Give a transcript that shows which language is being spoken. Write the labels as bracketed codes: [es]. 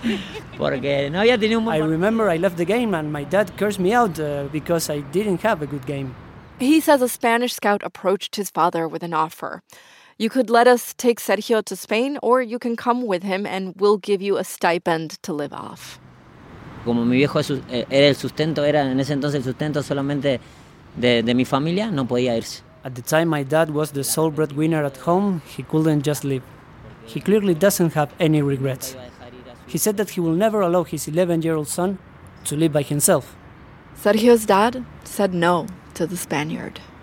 [en] I remember I left the game and my dad cursed me out because I didn't have a good game. He says a Spanish scout approached his father with an offer. You could let us take Sergio to Spain, or you can come with him and we'll give you a stipend to live off. [es] Como mi viejo era el sustento, era en ese entonces el sustento solamente... De mi familia, no podía irse. [en] At the time, my dad was the sole breadwinner at home. He couldn't just leave. He clearly doesn't have any regrets. He said that he will never allow his 11-year-old son to live by himself. Sergio's dad said no to the Spaniard.